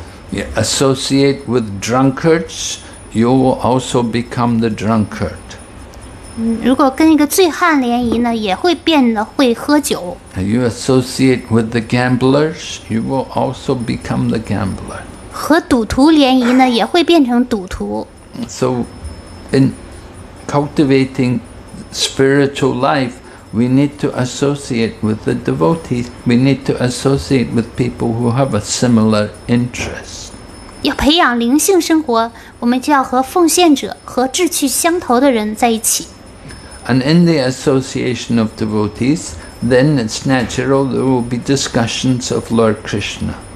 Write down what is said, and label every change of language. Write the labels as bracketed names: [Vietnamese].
[English] You associate with drunkards, you will also become the drunkard. [Chinese] 如果跟一个醉汉联谊呢，也会变得会喝酒。 [English] You associate with the gamblers, you will also become the gambler. [Chinese] 和赌徒联谊呢，也会变成赌徒。 [English] So, in cultivating spiritual life, we need to associate with the devotees. We need to associate with people who have a similar interest. [Chinese] 要培养灵性生活，我们就要和奉献者和志趣相投的人在一起。 [English] And in the association of devotees, then it's natural there will be discussions of Lord Krishna.